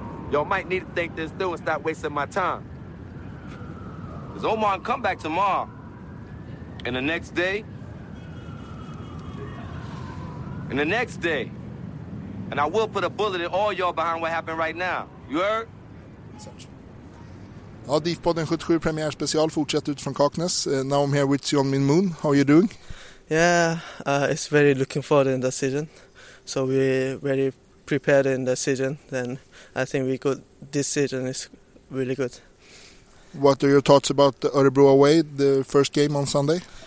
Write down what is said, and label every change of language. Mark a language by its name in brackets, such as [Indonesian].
[English] Y'all might need to think this through and stop wasting my time. Because Omar can come back tomorrow. And the next day. And the next day. And I will put a bullet in all y'all behind what happened right now. You heard? [Swedish] Ja, DIF-podden 77 premiärspecial fortsätter ut från Kaknäs. [English] Now I'm here with Jon Minmoon. How are you doing? Yeah, it's very looking forward in the season. So we very prepared in the season. Then I think we could, this season is really good. What are your thoughts about the Örebro away, the first game on Sunday?